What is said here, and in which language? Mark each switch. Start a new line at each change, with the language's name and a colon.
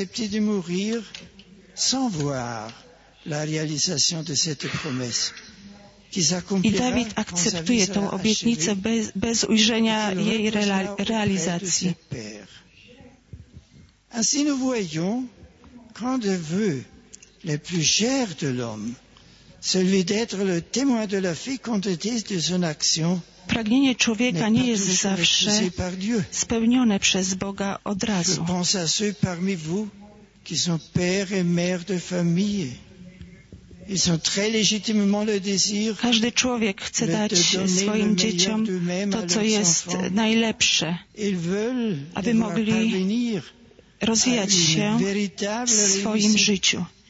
French: de mourir sans voir la réalisation de cette promesse.
Polish: I Dawid akceptuje tą obietnicę bez ujrzenia jej realizacji.
French: Ainsi nous voyons qu'un des vœux les plus chers de l'homme, celui d'être le témoin de la fécondité de son action,
Polish: pragnienie człowieka nie jest zawsze spełnione przez Boga od razu.
French: Je pense à ceux parmi vous qui sont pères et mères de famille. Ils ont très légitimement le désir.
Polish: Każdy człowiek chce dać swoim dzieciom to, co jest najlepsze.
French: Ils veulent,
Polish: aby mogli rozwijać się w swoim życiu.